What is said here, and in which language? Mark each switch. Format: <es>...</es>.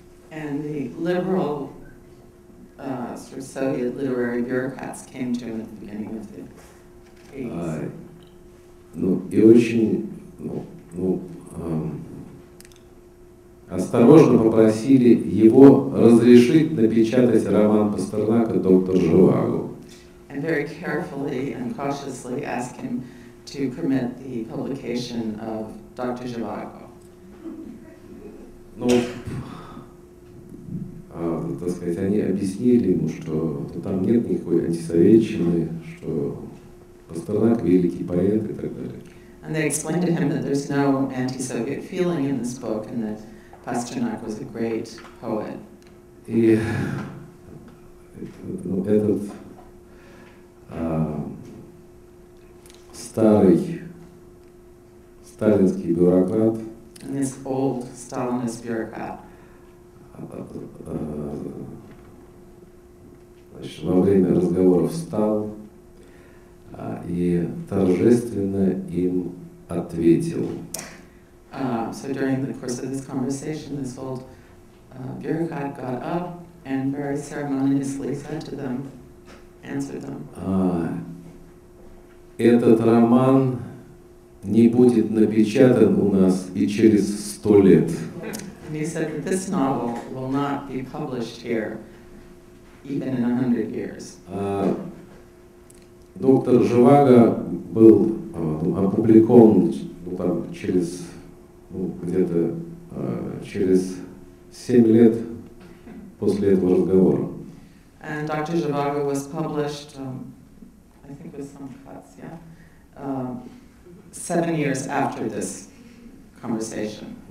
<en>And the liberal sort of Soviet literary bureaucrats came to him at the beginning of the 80s.</en> <ru>Ну, и очень, ну, ну, осторожно попросили его разрешить напечатать роман Пастернака «Доктор Живаго».</ru> <en>And very carefully and cautiously asked him to permit the publication of Dr.</en> <ru>Живаго. Ну, так сказать, они объяснили ему, что ну, там нет никакой антисоветчины, что Пастернак великий поэт и так далее.</ru> <en>And they explained to him that there's no anti-Soviet feeling in this book and that Пастернак was a great poet.</en> <ru>И ну, этот старый сталинский бюрократ.</ru> <en>And this old Stalinist bureaucrat.</en> <ru>Значит, во время разговоров встал и торжественно им ответил.</ru> <en>So during the course of this conversation, this old bureaucrat got up and very ceremoniously said to them, answered them.</en> <ru>Этот роман не будет напечатан у нас и через 100 лет.</ru> <en>And he said that this novel will not be published here even in 100 years.</en> <ru>Доктор Живаго был опубликован там через где-то через 7 лет после этого разговора.</ru> <en>And Dr. Zhivago was published, I think with some cuts, yeah, 7 years after this conversation.</en>